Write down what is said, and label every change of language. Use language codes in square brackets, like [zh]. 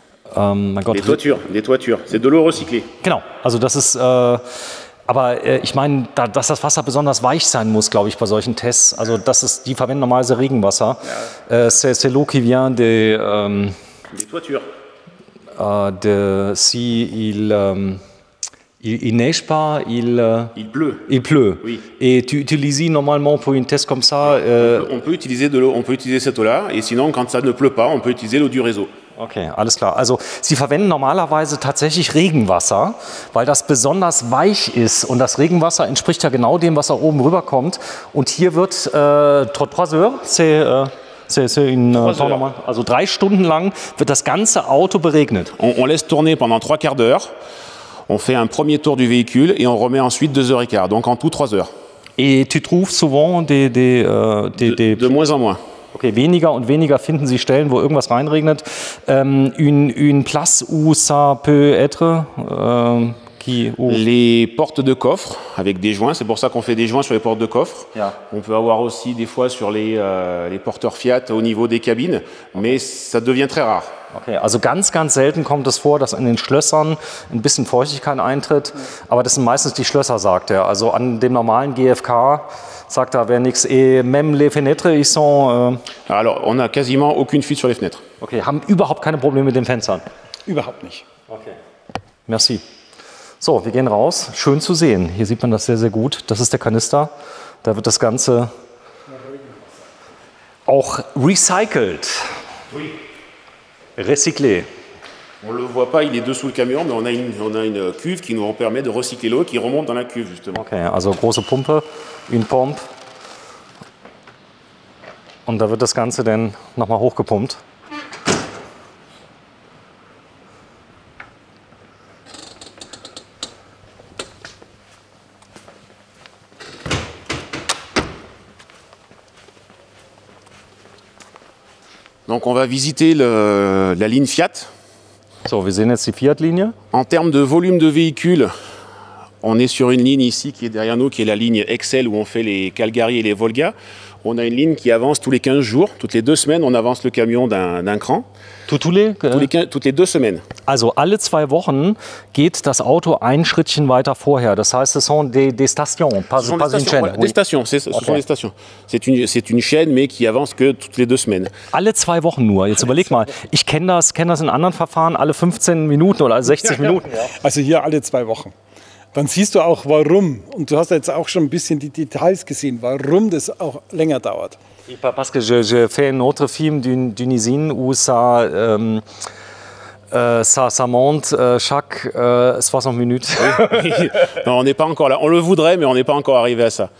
[fr] Des toitures, c'est de l'eau recyclée. [de] Genau, also das ist... Aber ich meine, dass das Wasser besonders weich sein muss, glaube ich, bei solchen Tests. Also das ist, die verwenden normalerweise Regenwasser. [fr] Ja. C'est l'eau qui vient de... Des toitures. De si il, il neige pas, il... Il pleut. Il pleut. Oui. Et tu utilises normalement pour une test comme ça... On peut utiliser de l'eau, on peut utiliser cette eau-là. Et sinon, quand ça ne pleut pas, on peut utiliser l'eau du réseau. [de] Okay, alles klar. Also sie verwenden normalerweise tatsächlich Regenwasser, weil das besonders weich ist. Und das Regenwasser entspricht ja genau dem, was da oben rüberkommt. Und hier wird 3 Stunden lang wird das ganze Auto beregnet. [fr] On laisse tourner pendant 3/4 d'heure. On fait un premier tour du véhicule et on remet ensuite 2h15. Donc en tout 3 heures. Et tu trouves souvent de moins en moins. [de] Okay, weniger und weniger finden Sie Stellen, wo irgendwas reinregnet. [fr] Une place où ça peut être qui où? Les portes de coffre avec des joints, c'est pour ça qu'on fait des joints sur les portes de coffre. [de] Ja. [fr] On peut avoir aussi des fois sur les porteurs Fiat au niveau des cabines, mais ça devient très rare. [de] Okay, also ganz, ganz selten kommt es vor, dass in den Schlössern ein bisschen Feuchtigkeit eintritt, aber das sind meistens die Schlösser, sagt er. Also an dem normalen GFK sagt er, wäre nichts. [fr] Et même les fenêtres, ils sont... Alors, on a quasiment aucune fuite sur les fenêtres. [de] Okay, haben überhaupt keine Probleme mit den Fenstern? Überhaupt nicht. Okay. Merci. So, wir gehen raus. Schön zu sehen. Hier sieht man das sehr, sehr gut. Das ist der Kanister. Da wird das Ganze auch recycelt. [fr] Oui. Recyclé. On le voit pas, il est dessous le camion, mais on a une cuve qui nous permet de recycler l'eau qui remonte dans la cuve, justement. [de] Okay, also große Pumpe, [fr] une pompe. [de] Und da wird das Ganze dann nochmal hochgepumpt. [fr] Donc on va visiter la ligne Fiat. [de] So, wir sehen jetzt die Fiat-Linie. [fr] En termes de volume de véhicules, On est sur une ligne ici qui est derrière nous, qui est la ligne Excel où on fait les Calgary et les Volga. On a une ligne qui avance tous les 15 jours. Toutes les deux semaines, on avance le camion d'un cran. Toutes les deux semaines. [de] Also, alle zwei Wochen geht das Auto ein Schrittchen weiter vorher. Das heißt, [fr] es sont des stations, pas une chaîne. Des stations, ce sont des stations. C'est une chaîne, mais qui avance que toutes les deux semaines. [de] Alle zwei Wochen nur. Jetzt überleg mal. Ich kenne das in anderen Verfahren, alle 15 Minuten oder 60 Minuten. Also hier alle zwei Wochen. Dann siehst du auch, warum, und du hast jetzt auch schon ein bisschen die Details gesehen, warum das auch länger dauert. [fr] Parce que je fais un autre film d'une usine où ça monte chaque 60 minutes. Non, on n'est pas encore là. On le voudrait, mais on n'est pas encore arrivé à ça.